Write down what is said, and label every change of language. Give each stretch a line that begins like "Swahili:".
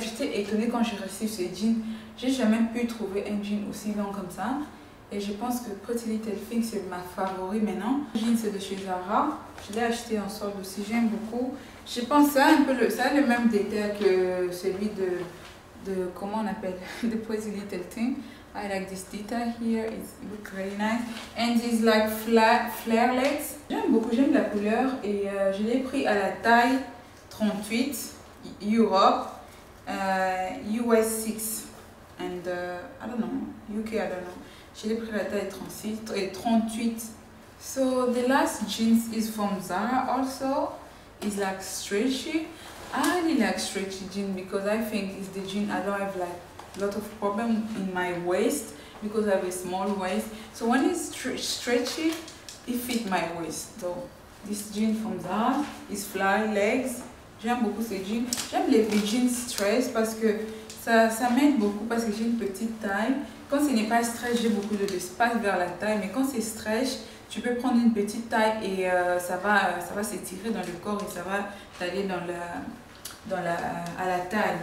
French: J'étais étonnée quand j'ai reçu ce jean. J'ai jamais pu trouver un jean aussi long comme ça. Et je pense que Pretty Little Thing, c'est ma favori maintenant. Le jean, c'est de chez Zara. Je l'ai acheté en solde aussi, j'aime beaucoup. Je pense que ça a un peu le même détail que celui de comment on appelle, de Pretty Little Thing.
English: I like this detail here, it looks really nice. And it's like flare legs.
French: J'aime beaucoup, j'aime la couleur et je l'ai pris à la taille 38, Europe, US 6.
English: And I don't know, UK, I don't know.
French: Je l'ai pris à la taille 38.
English: So the last jeans is from Zara also. It's like stretchy. I really like stretchy jeans because I think it's the jean I don't have like lot of problem in my waist because I have a small waist. So when it's stretchy, it fit my waist. So this jean from Zara is fly legs.
French: J'aime beaucoup ces jeans. J'aime les jeans stretch parce que ça m'aide beaucoup parce que j'ai une petite taille. Quand ce n'est pas stretch, j'ai beaucoup de l'espace vers la taille. Mais quand c'est stretch, tu peux prendre une petite taille et ça va s'étirer dans le corps et ça va t'aller à la taille.